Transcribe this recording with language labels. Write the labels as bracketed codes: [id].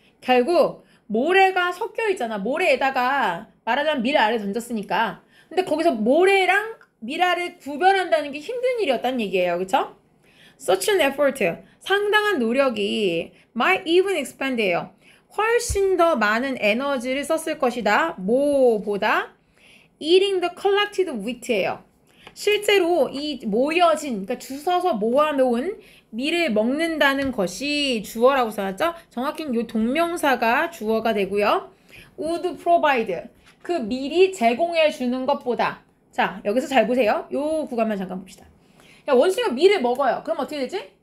[ko] 결국 모래가 섞여 있잖아. 모래에다가 말하자면 밀알을 던졌으니까. 근데 거기서 모래랑 밀알을 구별한다는 게 힘든 일이었단 얘기예요. 그쵸? [en] Such an effort, [ko] 상당한 노력이 [en] might even expand예요. [ko] 훨씬 더 많은 에너지를 썼을 것이다. 뭐보다 [en] eating the collected wheat예요. [ko] 실제로 이 모여진, 그러니까 주워서 모아놓은 밀을 먹는다는 것이 주어라고 써놨죠. 정확히는 이 동명사가 주어가 되고요. [en] Would provide, [ko] 그 밀이 제공해주는 것보다. 자, 여기서 잘 보세요. 이 구간만 잠깐 봅시다. 야, 원숭이가 밀을 먹어요. 그럼 어떻게 되지?